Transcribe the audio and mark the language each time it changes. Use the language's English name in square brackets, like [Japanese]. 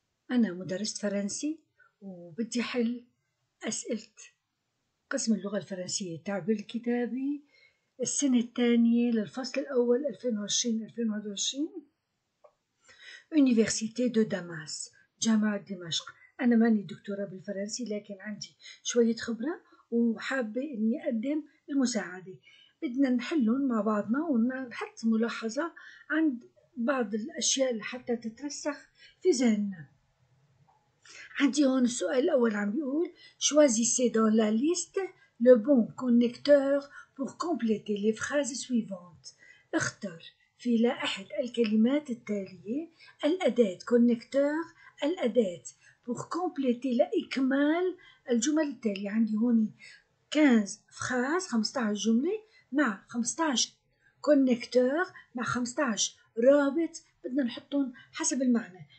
[Arabic] أنا مدرسة فرنسي وبدي حل أسئلة قسم اللغة الفرنسية تعب الكتابي السنة الثانية للفصل الأول 2020-2021 Université de Damas، جامعة دمشق. أنا ماني دكتورة بالفرنسي لكن عندي شوية خبرة وحابة أني أقدم المساعدة. بدنا نحلهم مع بعضنا ونحط ملاحظة عند بعض الأشياء حتى تترسخ في ذهننا. عندي هون السؤال الأول، عم بيقول [French] Choisissez dans la liste le bon connecteur pour compléter les phrases suivantes. [Arabic] اختر في لائحة الكلمات التالية الأداة connecteur، الأداة pour compléter لإكمال الجمل التالية. عندي هون 15 جملة مع 15 كونكتور، مع 15 رابط، بدنا نحطهم حسب المعنى.